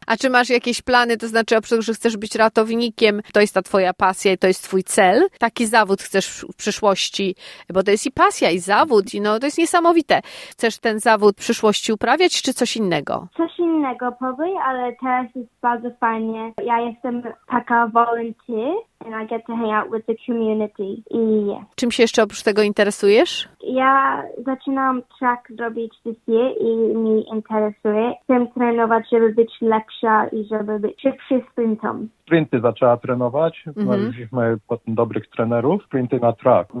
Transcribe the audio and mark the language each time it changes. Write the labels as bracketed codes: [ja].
[pl] A czy masz jakieś plany, to znaczy oprócz tego, że chcesz być ratownikiem, to jest ta twoja pasja i to jest twój cel? Taki zawód chcesz w przyszłości, bo to jest i pasja, i zawód, i no to jest niesamowite. Chcesz ten zawód w przyszłości uprawiać, czy coś innego? Coś innego powiem, ale teraz jest bardzo fajnie. Ja jestem taka volunteer. [en] And I get to hang out with the community. I yeah. [pl] Czym się jeszcze oprócz tego interesujesz? Ja zaczynam track robić [en] this year [pl] i mi interesuje. Chcę trenować, żeby być lepsza i żeby być szybszy sprintom. Sprinty zaczęła trenować. Znaleźliśmy dobrych trenerów. Sprinty na track.